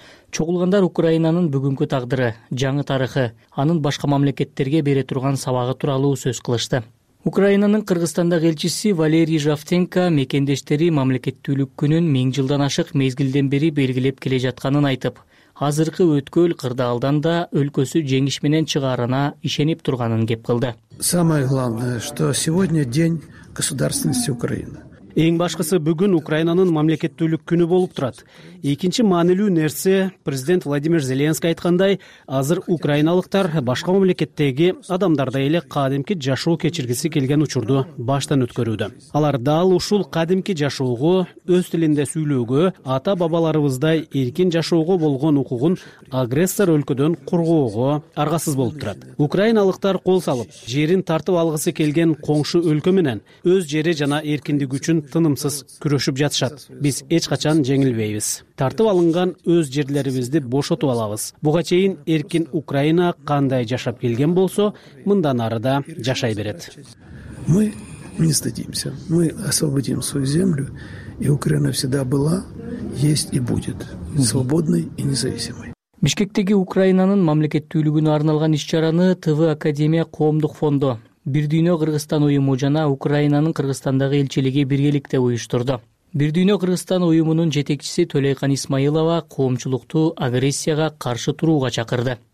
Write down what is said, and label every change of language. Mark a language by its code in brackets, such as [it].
[ky] Чогулгандар Украинанын бүгүнкү тагдыры, жаңы тарыхы, анын башка мамлекеттерге бере турган сабагы тууралуу сөз кылышты. Украинанын Кыргызстандагы элчиси Валерий Жавтенко мекендештери мамлекеттүүлүк күнүн миң жылдан ашык мезгилден бери белгилеп келе жатканын айтып, азыркы өткөл кырдаалдан да өлкөсү жеңиш менен чыгарына ишенип турганын кеп кылды. [ru] Самое главное, что сегодня день государственности Украины. [ky] Эң башкысы бүгүн Украинанын мамлекеттүүлүк күнү болуп турат. Экинчи маанилүү нерсе, президент Владимир Зеленский айткандай, азыр украиналыктар башка мамлекеттеги адамдардай эле кадимки жашоо кечиргиси келген учурду баштан өткөрүүдө. Алар дал ушул кадимки жашоого, өз тилинде сүйлөөгө, ата-бабаларыбыздай эркин жашоого болгон укугун агрессор өлкөдөн коргоого аргасыз болуп турат. Украиналыктар кол салып, жерин тартып алгысы келген коңшу өлкө менен өз жери жана эркиндиги үчүн тынымсыз күрөшүп жатышат. Биз эч качан жеңилбейбиз. Тартып алынган өз жерлерибизди бошотуп алабыз. Буга чейин эркин Украина кандай жашап келген болсо, мындан ары да жашай берет. [ru] Мы не сдадимся. Мы освободим свою землю, и Украина всегда была, есть и будет свободной и независимой. [ky] Бишкектеги Украинанын мамлекеттүүлүгүнө арналган иш-чараны ТВ Академия коомдук фонду, Бир дүйнө Кыргызстан уюму жана Украинанын Кыргызстандагы элчилиги биргеликте уюштурду. Бир дүйнө Кыргызстан уюмунун жетекчиси Төлөйкан Исмаилова коомчулукту агрессияга каршы турууга чакырды.